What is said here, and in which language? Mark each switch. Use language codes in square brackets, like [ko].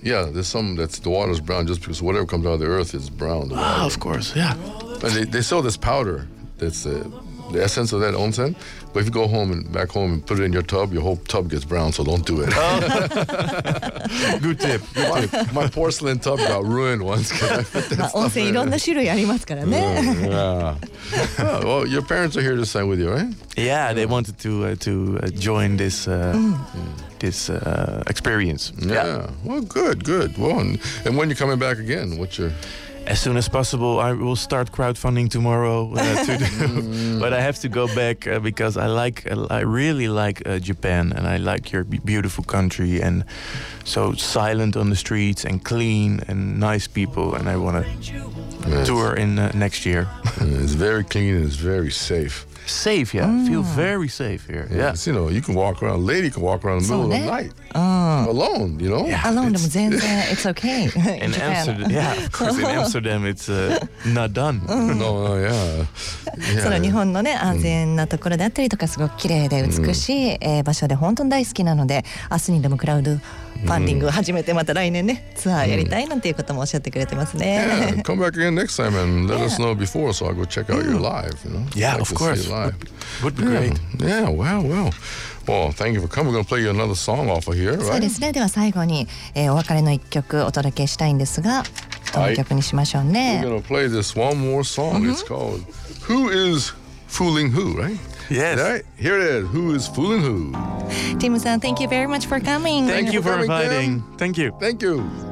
[en] Yeah, there's some that's the water is brown just because whatever comes out of the earth is brown. Ah, of course. Yeah. But they sell this powder that's the essence of that onsen. But if you go home and back home and put it in your tub, your whole tub gets brown, so don't do it. Oh. Good tip. My porcelain tub got ruined once. [ja] Onsen, いろんな種類ありますからね。 Yeah. [en] Well, your parents are here to sign with you, right? Yeah, they wanted to join this experience. Yeah. Well, good. Well, and when you're coming back again, what's your... As soon as possible, I will start crowdfunding tomorrow to do. But I have to go back because I really like Japan, and I like your beautiful country, and so silent on the streets and clean and nice people, and I want to tour in next year. It's very clean and it's very safe. Safe, yeah. Mm. Feel very safe here. Yeah. You know, you can walk around. A lady can walk around in the middle of the night. Alone, you know? Yeah. Alone, it's okay. In Amsterdam, yeah. Of course, in Amsterdam, it's not done. No, yeah. [ja] その日本のね安全なところであったりとかすごく綺麗で美しい場所で本当に大好きなので明日にでもクラウドファンディングを始めてまた来年ねツアーやりたいなんていうこともおっしゃってくれてますね。 [en] Yeah, come back again next time and let us know before so I go check out your live. You know? Yeah, like of course. Live. Would be great. Yeah, well. Well, thank you for coming. We're going to play you another song off of here, right? [ja] そうですね。では最後に、お別れの一曲お届けしたいんですが。 [en] We're going to play this one more song. Mm-hmm. It's called Who is Fooling Who, right? Yes. Right? Here it is. Who is Fooling Who? Tim-san, thank you very much for coming. Thank you for inviting. Tim. Thank you.